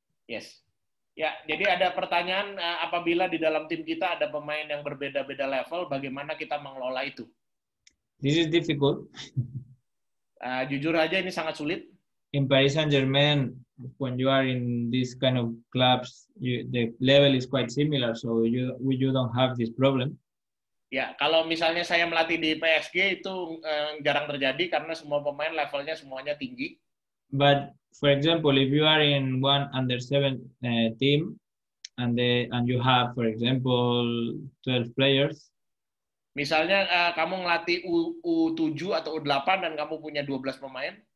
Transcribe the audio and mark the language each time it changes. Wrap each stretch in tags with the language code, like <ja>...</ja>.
<id>Yes. Ya, jadi ada pertanyaan apabila di dalam tim kita ada pemain yang berbeda-beda level, bagaimana kita mengelola itu?</id> <en>This is difficult.</en> <id>Jujur aja ini sangat sulit.</id> <en>In Paris Saint-Germain, when you are in this kind of clubs, the level is quite similar, so you don't have this problem.</en> <id>Ya, kalau misalnya saya melatih di PSG itu jarang terjadi karena semua pemain levelnya semuanya tinggi.</id> <en>But for example, if you are in one under 7 team and you have for example 12 players.</en> <id>Misalnya kamu ngelatih U7 atau U8 dan kamu punya 12 pemain.</id>